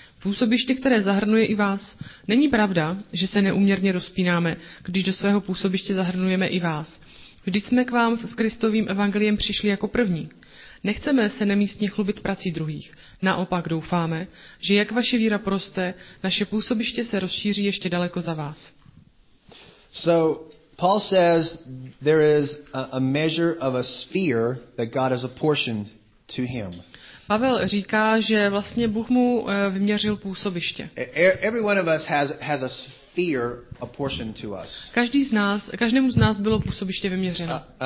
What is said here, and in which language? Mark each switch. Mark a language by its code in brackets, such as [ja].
[cs] Působiště, které zahrnuje i vás. Není pravda, že se neuměrně rozpínáme, když do svého působiště zahrnujeme i vás. Vždyť jsme k vám s Kristovým evangeliem přišli jako první. Nechceme se nemístně chlubit prací druhých. Naopak doufáme, že jak vaše víra poroste, naše působiště se rozšíří ještě daleko za vás. [en] So Paul says there is a measure of a sphere that God has apportioned to him. [cs] Pavel říká, že vlastně Bůh mu vyměřil působiště. [en] Every one of us has a sphere apportioned to us. [cs] Každý z nás, každému z nás bylo působiště vyměřeno.